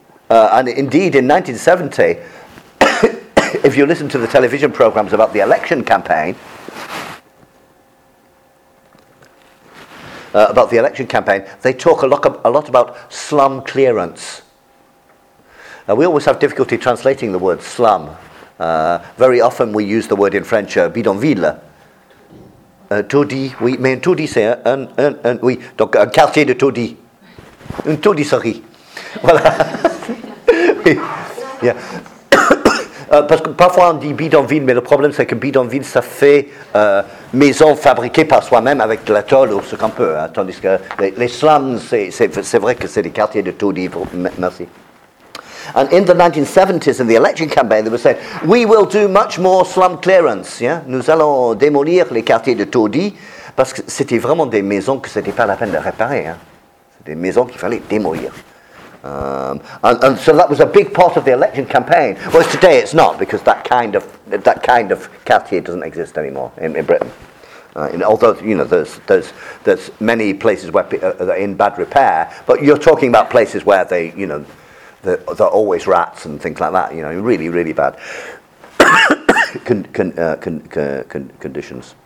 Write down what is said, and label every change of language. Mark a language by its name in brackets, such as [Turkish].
[English] And indeed, in 1970, if you listen to the television programmes about the election campaign, they talk a lot about slum clearance. We always have difficulty translating the word slum. Very often we use the word in French, bidonville. [French] taudis, oui, mais un taudis, c'est un oui, donc un quartier de taudis. Une taudisserie. Voilà. Oui. Yeah. Parce que parfois on dit bidonville, mais le problème c'est que bidonville, ça fait maison fabriquée par soi-même avec de la tôle ou ce qu'on peut. Hein. Tandis que les slums, c'est vrai que c'est des quartiers de taudis. Merci. [English] And in the 1970s, in the election campaign, they were saying, we will do much more slum clearance. Yeah? [French] Nous allons démolir les quartiers de taudis, parce que c'était vraiment des maisons que ce n'était pas la peine de réparer. Hein. C'était des maisons qu'il fallait démolir. [English] And so that was a big part of the election campaign. Well, today it's not, because that kind of quartier doesn't exist anymore in Britain. Although, you know, there's many places where that are in bad repair, but you're talking about places where they, you know, there are always rats and things like that, you know, really, really bad conditions.